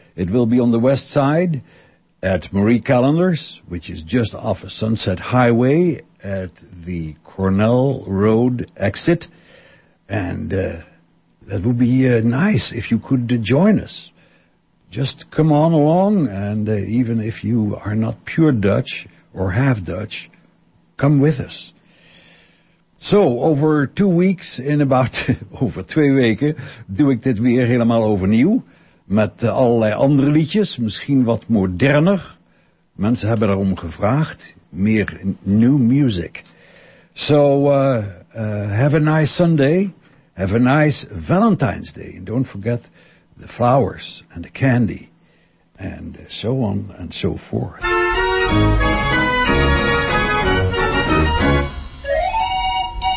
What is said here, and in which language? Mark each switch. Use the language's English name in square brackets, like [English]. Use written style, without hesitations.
[English] It will be on the west side at Marie Callender's, which is just off of Sunset Highway at the Cornell Road exit. And that would be nice if you could join us. Just come on along, and even if you are not pure Dutch or half Dutch, come with us. So, over 2 weeks, in about [Dutch] over 2 weken, doe ik dit weer helemaal overnieuw. Met allerlei andere liedjes, misschien wat moderner. Mensen hebben daarom gevraagd, meer [English] new music. So, have a nice Sunday, have a nice Valentine's Day, and don't forget the flowers and the candy, and so on and so forth.